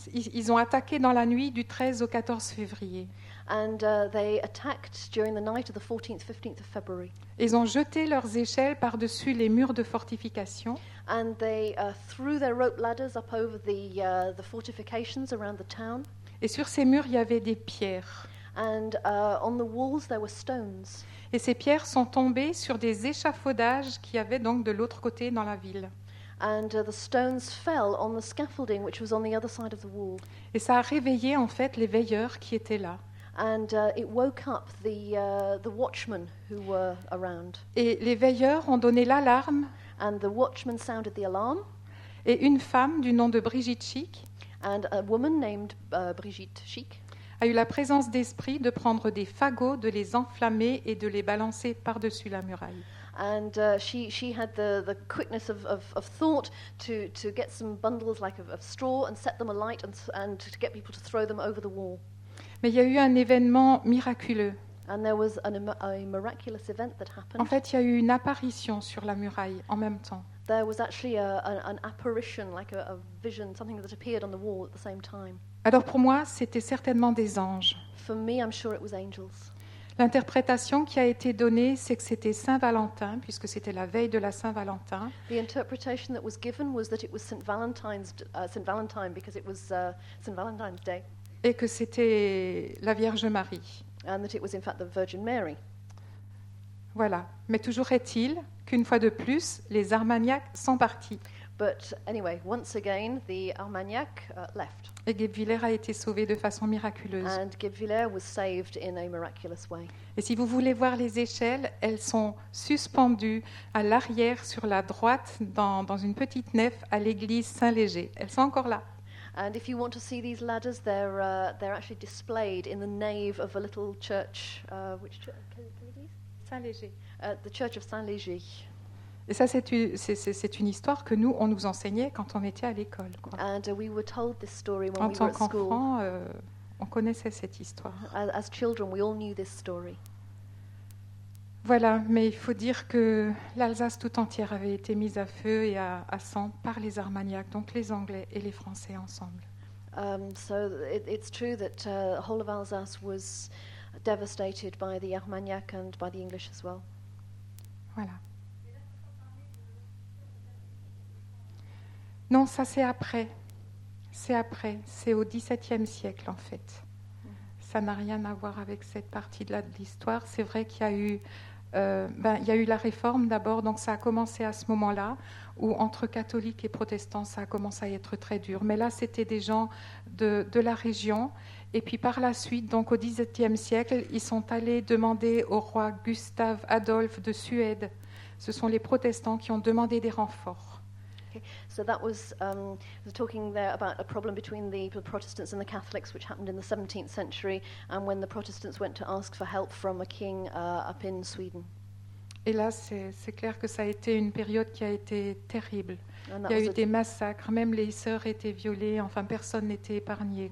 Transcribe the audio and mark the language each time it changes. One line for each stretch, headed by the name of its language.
French: Ils ont attaqué dans la nuit du 13 au 14 février.
English: And they attacked during the night of the 14th, 15th of February.
French: Ils ont jeté leurs échelles par-dessus les murs de fortification.
English: And they threw their rope ladders up over the fortifications around the town.
French: Et sur ces murs, il y avait des pierres.
English: And on the walls there were stones.
French: Et ces pierres sont tombées sur des échafaudages qui avaient donc de l'autre côté dans la ville.
English: And the stones fell on the scaffolding which was on the other side of the wall.
French: Et ça a réveillé en fait les veilleurs qui étaient là.
English: And it woke up the watchmen who were around.
French: Et les veilleurs ont donné l'alarme.
English: And the watchmen sounded the alarm.
French: Et une femme du nom de Brigitte Schick.
English: And a woman named Brigitte Schick.
French: A eu la présence d'esprit de prendre des fagots, de les enflammer et de les balancer par-dessus la muraille.
English: And she had the quickness of thought to get some bundles like of straw and set them alight and to get people to throw them over the wall.
French: Mais il y a eu un événement miraculeux.
English: And there was a miraculous event that happened.
French: En fait, il y a eu une apparition sur la muraille en même temps.
English: There was actually an apparition, like a vision, something that appeared on the wall at the same time.
French: Alors pour moi, c'était certainement des anges.
English: For me, I'm sure it was angels.
French: L'interprétation qui a été donnée, c'est que c'était Saint-Valentin, puisque c'était la veille de la Saint-Valentin.
English: The interpretation that was given was that it was Saint Valentine, because it was Saint Valentine's Day.
French: Et que c'était la Vierge Marie.
English: And that it was in fact the Virgin Mary.
French: Voilà. Mais toujours est-il qu'une fois de plus, les Armagnacs sont partis.
English: But anyway, once again, the Armagnac left.
French: Et Guebwiller a été sauvé de façon miraculeuse.
English: And Guebwiller was saved in a miraculous way.
French: Et si vous voulez voir les échelles, elles sont suspendues à l'arrière, sur la droite, dans une petite nef à l'église Saint-Léger. Elles sont encore là.
English: And if you want to see these ladders, they're actually displayed in the nave of a little church. Which
French: Saint-Léger.
English: The church of Saint-Léger.
French: Et ça, c'est une histoire que nous, on nous enseignait quand on était à l'école.
English: And we were told this story when
French: en
English: we
French: tant
English: were at
French: qu'enfant,
English: school.
French: On connaissait cette histoire.
English: As children, we all knew this story.
French: Voilà, mais il faut dire que l'Alsace tout entière avait été mise à feu et à sang par les Armagnacs, donc les Anglais et les Français ensemble.
English: So it's true that the whole of Alsace was devastated by the Armagnac and by the English as well.
French: Voilà. Non, ça c'est après. C'est après. C'est au XVIIe siècle en fait. Ça n'a rien à voir avec cette partie de l'histoire. C'est vrai qu'il y a eu Il y a eu la réforme d'abord, donc ça a commencé à ce moment-là, où entre catholiques et protestants, ça a commencé à être très dur. Mais là, c'était des gens de la région. Et puis par la suite, donc au XVIIe siècle, ils sont allés demander au roi Gustave Adolphe de Suède. Ce sont les protestants qui ont demandé des renforts.
English: Okay. So that was talking there about a problem between the Protestants and the Catholics, which happened in the 17th century, and when the Protestants went to ask for help from a king up in Sweden.
French: Et là, c'est clair que ça a été une période qui a été terrible. Il y a eu des massacres, même les sœurs étaient violées, enfin personne n'était épargné.